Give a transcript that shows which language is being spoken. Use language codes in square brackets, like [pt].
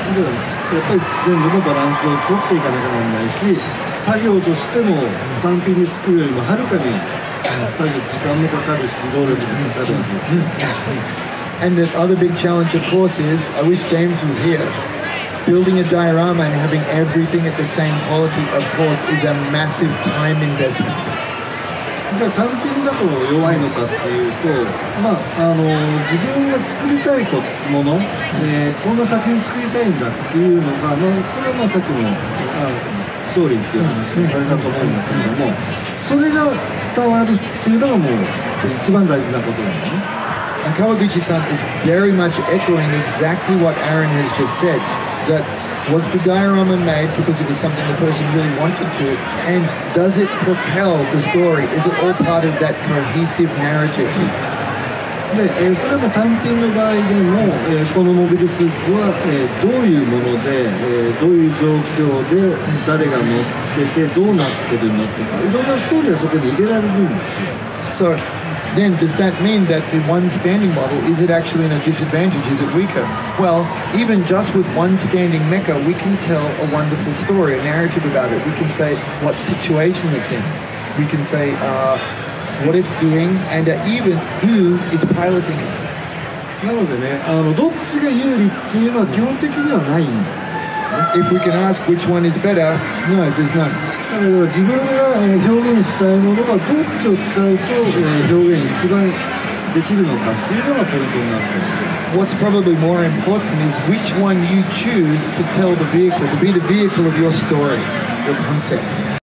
[ja] で、やっぱり全部のバランスを取っていかなきゃならないし、作業としても単品で作るよりもはるかに、作業時間もかかるし、労力もかかるんです。 [en] And the other big challenge, of course, is, I wish James was here, building a diorama and having everything at the same quality, of course, is a massive time investment. [ja] じゃあ単品だと弱いのかっていうと、まあ、自分が作りたいもの、こんな作品作りたいんだっていうのが、まあ、それはまあさっきのストーリーっていう話もされたと思うんだけども、それが伝わるっていうのがもう一番大事なことなのね。 [en] And Kawaguchi-san is very much echoing exactly what Aaron has just said, that was the diorama made because it was something the person really wanted to, and does it propel the story? Is it all part of that cohesive narrative? [ja] で、それも単品の場合でも、このモビルスーツは、どういうもので、どういう状況で誰が乗ってて、どうなってるのって、いろんなストーリーはそこに入れられるんですよ。 [en] So,then does that mean that the one standing model, is it actually in a disadvantage? Is it weaker? Well, even just with one standing mecha, we can tell a wonderful story, a narrative about it. We can say what situation it's in. We can say what it's doing, and even who is piloting it. [ja] なのでね、どっちが有利っていうのは基本的にはないんです。 [en] If we can ask which one is better, no, there's none. [ja] 自分が表現したいものがどっちを使うと表現一番できるのかっていうのがポイントになってます。 [en] What's probably more important is which one you choose to tell the vehicle, to be the vehicle of your story, your concept.